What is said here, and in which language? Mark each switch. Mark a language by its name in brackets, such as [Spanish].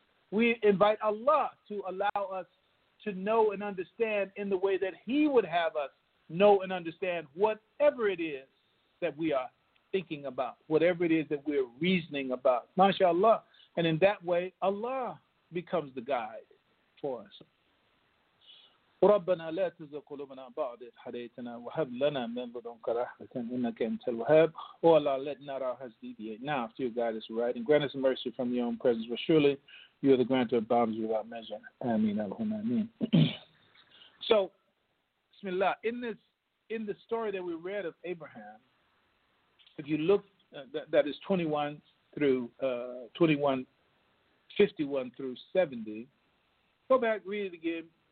[English] We invite Allah to allow us to know and understand in the way that He would have us know and understand whatever it is that we are thinking about, whatever it is that we're reasoning about, mashallah. And in that way, Allah becomes the guide for us. [Arabic] ربنا لا تزغ قلوبنا بعد إذ هديتنا وهب لنا من لدنك رحمة إنك أنت الوهاب. [English] Oh Allah, let not our hearts deviate now after your guidance is right, and grant us mercy from your own presence, for surely you are the grantor of bounties without measure. Ameen, Allahumma ameen. So, Bismillah, in the story that we read of Abraham, if you look, that is 21 through 21, 51 through 70, go back, read it again.